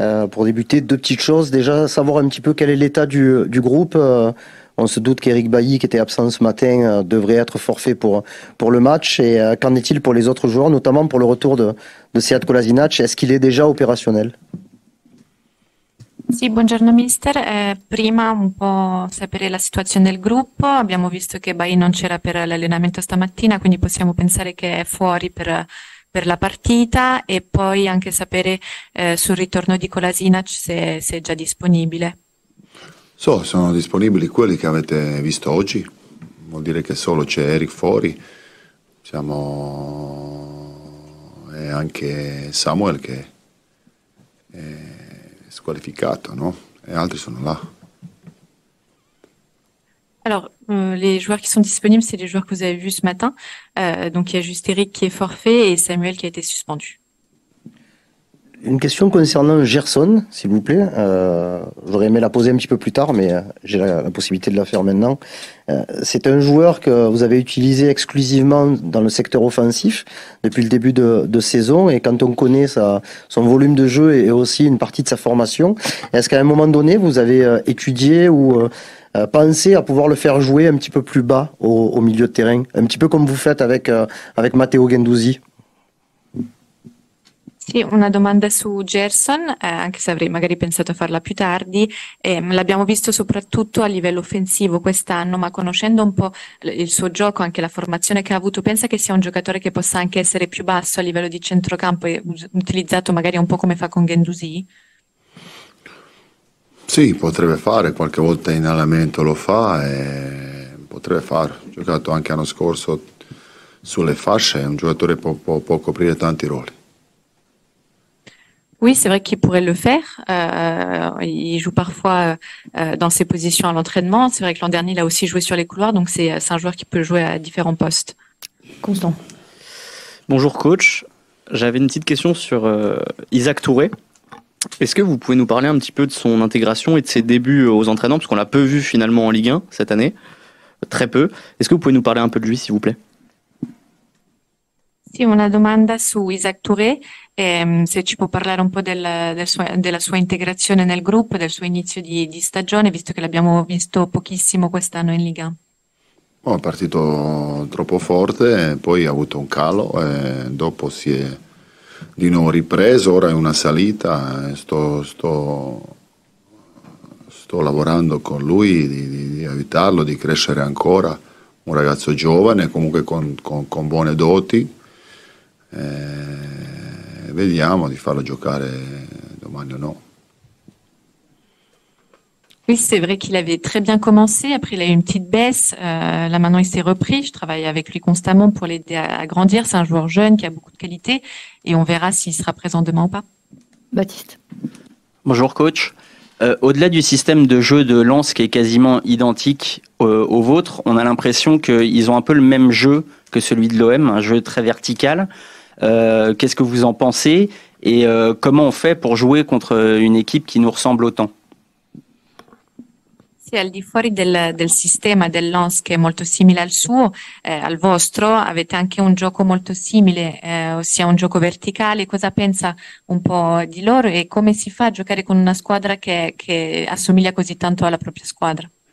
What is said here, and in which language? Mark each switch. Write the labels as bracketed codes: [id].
[fr] Pour débuter, deux petites choses. Déjà, savoir un petit peu quel est l'état du groupe. On se doute qu'Éric Bailly, qui était absent ce matin, devrait être forfait pour le match. Et qu'en est-il pour les autres joueurs, notamment pour le retour de Sead Kolasinac? Est-ce qu'il est déjà opérationnel? [it] Sì, buongiorno mister. Prima un po' sapere la situazione del gruppo. Abbiamo visto che Bailly non c'era per l'allenamento stamattina, quindi possiamo pensare che è fuori per la partita e poi anche sapere sul ritorno di Kolasinac se è già disponibile. So, sono disponibili quelli che avete visto oggi. Vuol dire che solo c'è Eric fuori. Siamo e anche Samuel che è squalificato, no? E altri sono là. [fr] Alors, les joueurs qui sont disponibles, c'est les joueurs que vous avez vus ce matin. Donc, il y a juste Eric qui est forfait et Samuel qui a été suspendu. Une question concernant Gerson, s'il vous plaît. J'aurais aimé la poser un petit peu plus tard, mais j'ai la possibilité de la faire maintenant. C'est un joueur que vous avez utilisé exclusivement dans le secteur offensif depuis le début de saison. Et quand on connaît son volume de jeu et aussi une partie de sa formation, est-ce qu'à un moment donné, vous avez étudié ou penser à pouvoir le faire jouer un petit peu plus bas au milieu de terrain, un petit peu comme vous faites avec Matteo Guendouzi? [it] Sì, una domanda su Gerson, anche se avrei magari pensato a farla più tardi. L'abbiamo visto soprattutto a livello offensivo quest'anno, ma conoscendo un po' il suo gioco, anche la formazione che ha avuto, pensa che sia un giocatore che possa anche essere più basso a livello di centrocampo e utilizzato magari un po' come fa con Guendouzi? Sì, potrebbe fare, qualche volta in allenamento lo fa, e potrebbe fare, ho giocato anche l'anno scorso sulle fasce, è un giocatore che può coprire tanti ruoli. [fr] Oui, c'est vrai qu'il pourrait le faire, il joue parfois dans ses positions à l'entraînement, c'est vrai que l'an dernier il a aussi joué sur les couloirs, donc c'est un joueur qui peut jouer à différents postes. Constant. Bonjour coach, j'avais une petite question sur Isaac Touré. Est-ce que vous pouvez nous parler un petit peu de son intégration et de ses débuts aux entraînements, parce qu'on l'a peu vu finalement en Ligue 1 cette année, très peu. Est-ce que vous pouvez nous parler un peu de lui s'il vous plaît? [it] Sì, una domanda su Isaac Touré, se ci può parlare un po' della sua integrazione nel gruppo, del suo inizio di stagione, visto che l'abbiamo visto pochissimo quest'anno in Liga. Ha partito troppo forte, poi ha avuto un calo, dopo si è di nuovo ripreso, ora è una salita, sto lavorando con lui di aiutarlo, di crescere ancora, un ragazzo giovane, comunque con buone doti. Vediamo di farlo giocare domani o no. [fr] Oui, c'est vrai qu'il avait très bien commencé, après il a eu une petite baisse, là maintenant il s'est repris, je travaille avec lui constamment pour l'aider à grandir, c'est un joueur jeune qui a beaucoup de qualité et on verra s'il sera présent demain ou pas. Baptiste. Bonjour coach. Au-delà du système de jeu de Lens qui est quasiment identique au vôtre, on a l'impression qu'ils ont un peu le même jeu que celui de l'OM, un jeu très vertical. Qu'est-ce que vous en pensez et comment on fait pour jouer contre une équipe qui nous ressemble autant ? [it] Sì, al di fuori del sistema del Lens che è molto simile al suo, al vostro, avete anche un gioco molto simile, ossia un gioco verticale. Cosa pensa un po' di loro e come si fa a giocare con una squadra che assomiglia così tanto alla propria squadra?